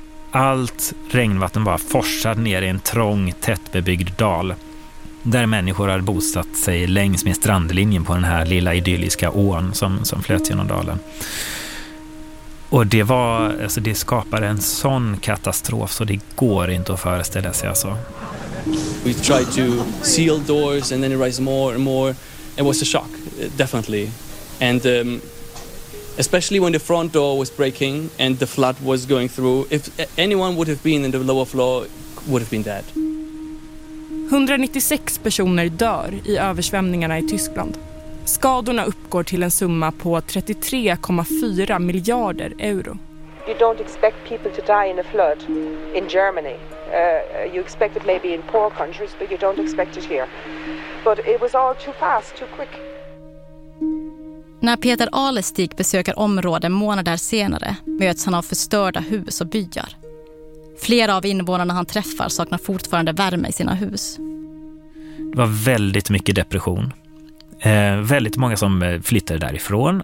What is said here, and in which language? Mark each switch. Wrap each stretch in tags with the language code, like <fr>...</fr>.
<sv>Allt regnvatten bara forsade ner i en trång, tättbebyggd dal. Där människor hade bosatt sig längs med strandlinjen på den här lilla idylliska ån som flöt genom dalen. Och det var, alltså det skapade en sån katastrof så det går inte att föreställa sig alltså.</sv> <en>We tried to seal doors and then it rise more and more. It was a shock, definitely. And especially when the front door was breaking and the flood was going through. If anyone would have been in the lower floor, would have been dead.</en> <sv>196 personer dör i översvämningarna i Tyskland. Skadorna uppgår till en summa på 33,4 miljarder euro.</sv> <en>You don't expect people to die in a flood in Germany. You expect it maybe in poor countries, but you don't expect it here. But it was all too fast, too quick.</en> <sv>När Peter Alestig besöker området månader senare möts han av förstörda hus och byar. Flera av invånarna han träffar saknar fortfarande värme i sina hus. Det var väldigt mycket depression. Väldigt många som flyttade därifrån.</sv>